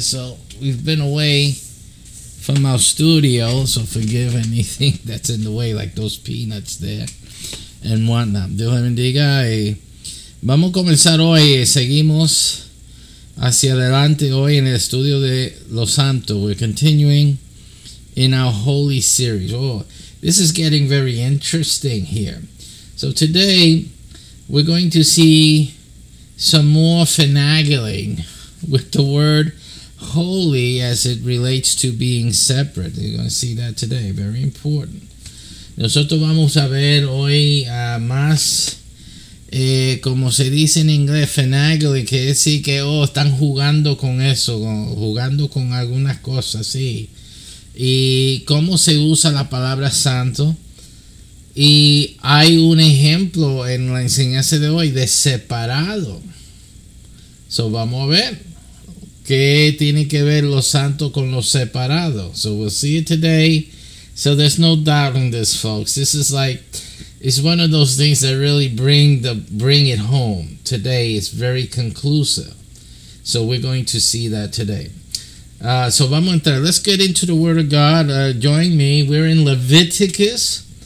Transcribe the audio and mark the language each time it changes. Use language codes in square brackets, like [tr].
[en] So we've been away from our studio, so forgive anything that's in the way, like those peanuts there and whatnot. [es] Dios le bendiga. Vamos a comenzar hoy. Seguimos hacia adelante hoy en el estudio de Los Santos. [en] We're continuing in our holy series. Oh, this is getting very interesting here. So today we're going to see some more finagling with the word holy as it relates to being separate. You're going to see that today. Very important. [es] Nosotros vamos a ver hoy más, como se dice en inglés, finagling, que es decir que están jugando con eso, jugando con algunas cosas, sí. Y cómo se usa la palabra santo. Y hay un ejemplo en la enseñanza de hoy de separado. So vamos a ver qué tiene que ver los santos con los separados. [en] So we'll see it today. So there's no doubt in this, folks. This is like, it's one of those things that really bring it home. Today is very conclusive. So we're going to see that today. So [es] vamos a entrar. [en] Let's get into the Word of God. Join me. We're in Leviticus.